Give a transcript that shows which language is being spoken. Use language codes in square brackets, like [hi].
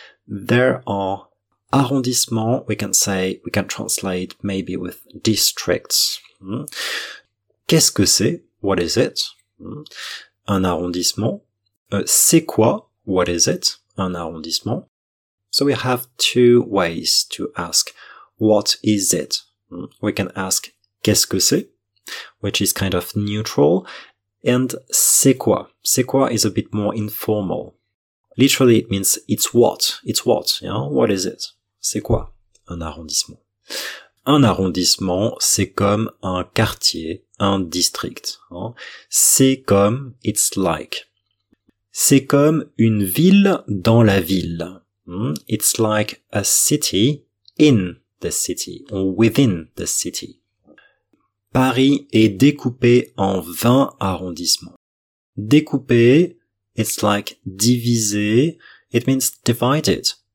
[en] There are arrondissements, we can translate maybe with districts. [fr] Qu'est-ce que c'est? [en] What is it? [fr] Un arrondissement. C'est quoi? [en] What is it? un arrondissement. So we have two ways to ask, what is it? We can ask, [fr] qu'est-ce que c'est? [en] Which is kind of neutral. And [fr] c'est quoi? C'est quoi [en] is a bit more informal. Literally, it means it's what? It's what? You know? What is it? [fr] C'est quoi? Un arrondissement. Un arrondissement, c'est comme un quartier, un district. Hein? C'est comme, [en] it's like. [fr] C'est comme une ville dans la ville. [en] It's like a city in the city, or within the city. [fr] Paris est découpé en 20 arrondissements. [en] Découpé, it's like divisé, it means divided.